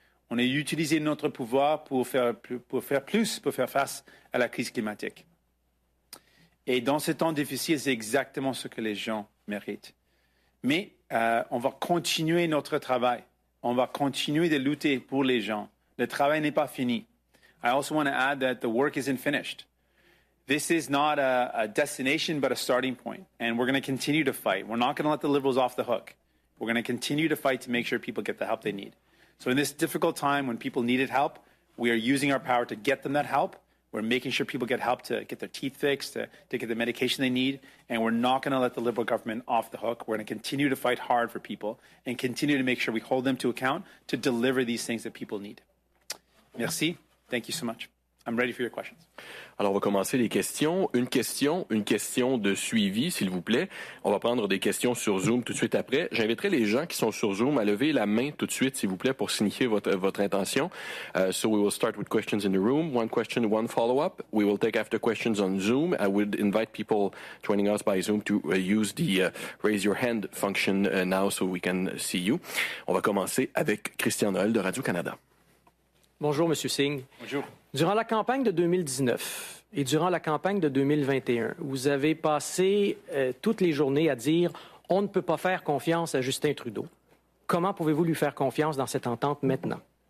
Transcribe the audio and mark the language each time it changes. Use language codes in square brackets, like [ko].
[fr] On a utilisé notre pouvoir pour faire face à la crise climatique. Et dans ces temps difficiles, c'est exactement ce que les gens méritent. Mais on va continuer notre travail. On va continuer de lutter pour les gens. Le travail n'est pas fini. [en] I also want to add that the work isn't finished. This is not a destination, but a starting point. And we're going to continue to fight. We're not going to let the Liberals off the hook. We're going to continue to fight to make sure people get the help they need. So in this difficult time when people needed help, we are using our power to get them that help. We're making sure people get help to get their teeth fixed, to get the medication they need. And we're not going to let the Liberal government off the hook. We're going to continue to fight hard for people and continue to make sure we hold them to account to deliver these things that people need. Merci. Thank you so much. I'm ready for your questions. [fr] Alors, on va commencer les questions. Une question de suivi, s'il vous plaît. On va prendre des questions sur Zoom tout de suite après. J'inviterai les gens qui sont sur Zoom à lever la main tout de suite, s'il vous plaît, pour signifier votre intention. [en] So we will start with questions in the room. One question, one follow-up. We will take after questions on Zoom. I would invite people joining us by Zoom to use the raise your hand function now so we can see you. [fr] On va commencer avec Christian Noël de Radio-Canada. Bonjour, Monsieur Singh. Bonjour. Durant la campagne de 2019 et durant la campagne de 2021, vous avez passé toutes les journées à dire « on ne peut pas faire confiance à Justin Trudeau ». Comment pouvez-vous lui faire confiance dans cette entente maintenant?